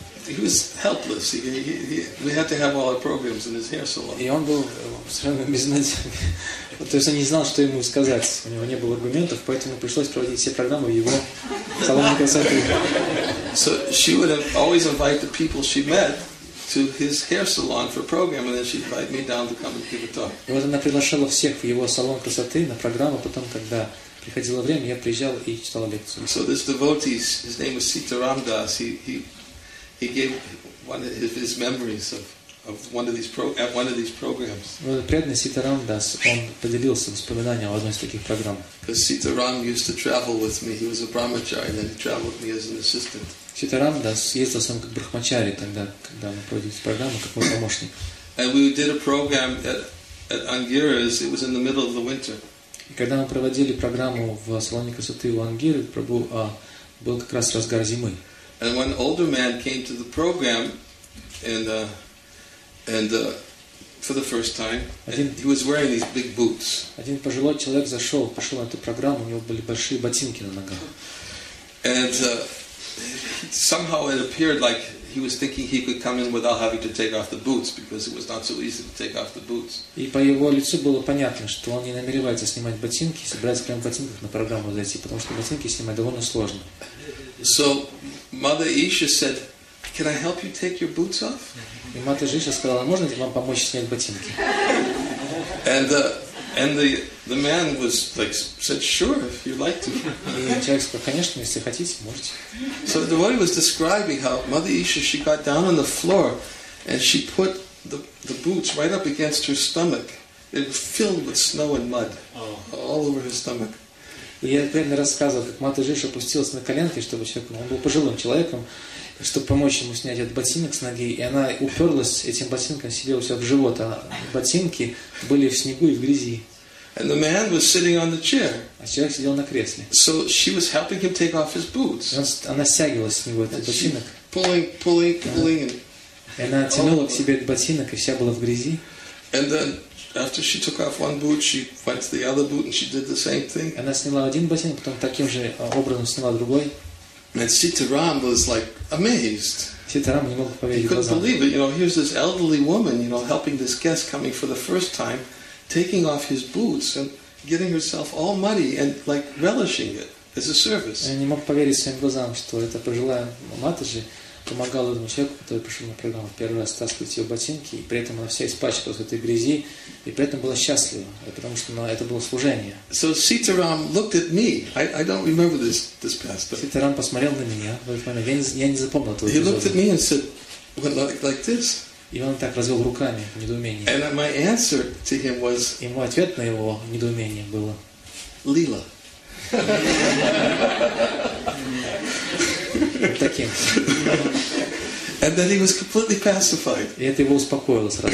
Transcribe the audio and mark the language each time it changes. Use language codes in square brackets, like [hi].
[ru] И он был совершенно безнадежен. То есть он не знал, что ему сказать. У него не было аргументов, поэтому пришлось проводить все программы в его салоне красоты. [en] So she would have always invited the people she met to his hair salon for program, and then she invited me down to come and give a talk. [ru] И вот она приглашала всех в его салон красоты на программу. Потом, когда приходило время, я приезжал и читал лекцию. [en] So this devotee, his name was Sitaram Das. He gave one of his memories of one of these programs. [ru] Вот преданный Ситарам Дас, он поделился воспоминаниями о одной из таких программ. [en] Because Sitaram used to travel with me. He was a brahmachari, and then he traveled with me as an assistant. [ru] Ситарам Дас ездил сам как брахмачари тогда, когда мы проводили программу, как мой помощник. [en] And we did a program at Angira's. It was in the middle of the winter. [ru] И когда мы проводили программу в салоне красоты у Ангиры, был как раз разгар зимы. [en] And one older man came to the program and for the first time, and he was wearing these big boots. [ru] Один пожилой человек зашел, пошел на эту программу, у него были большие ботинки на ногах. [en] Somehow it appeared like he was thinking he could come in without having to take off the boots because it was not so easy to take off the boots. [ru] И по его лицу было понятно, что он не намеревается снимать ботинки, собирается прямо в ботинках на программу зайти, потому что ботинки снимать довольно сложно. [en] So Mother Isha said, "Can I help you take your boots off?" [ru] И Мата Жиша сказала, "Можно ли вам помочь снять ботинки?" [en] And the man was like said, "Sure, if you'd like to." [ru] И человек сказал, конечно, если хотите, можете. [en] So the devotee was describing how Mother Isha, she got down on the floor, and she put the boots right up against her stomach. It was filled with snow and mud all over her stomach. [ru] И я примерно рассказывал, как Мата Жиша опустилась на коленки, чтобы человек, он был пожилым человеком, чтобы помочь ему снять этот ботинок с ноги, и она уперлась этим ботинком себе у себя в живот, а ботинки были в снегу и в грязи. [en] And the man was sitting on the chair. [ru] А человек сидел на кресле. [en] So she was helping him take off his boots. [ru] Она стягивала с него этот ботинок. [en] Pulling. [ru] И она тянула к себе этот ботинок, и вся была в грязи. [en] And then after she took off one boot, she went to the other boot and she did the same thing. [ru] Она сняла один ботинок, потом таким же образом сняла другой. [en] And Sitaram was like amazed. [ru] Sitaram не мог поверить. [en] He couldn't believe it. You know, here's this elderly woman, you know, helping this guest coming for the first time, taking off his boots and getting herself all muddy and like relishing it as a service. [ru] Я не мог поверить своим глазам, что эта пожилая матаджи помогала этому человеку, который пришел на программу первый раз, стаскивать ее ботинки, и при этом она вся испачкалась в этой грязи, и при этом была счастлива, потому что это было служение. [en] So Sitaram looked at me. I don't remember this past. [ru] Sitaram посмотрел на меня в этот момент. Я не запомнил этого. [en] He looked at me and said, like this. [ru] И он так развел руками в недоумении. [en] And my answer to him was. [ru] И мой ответ на его недоумение было. Лила. Таким. [en] And then he was completely pacified. [ru] И это его успокоило сразу.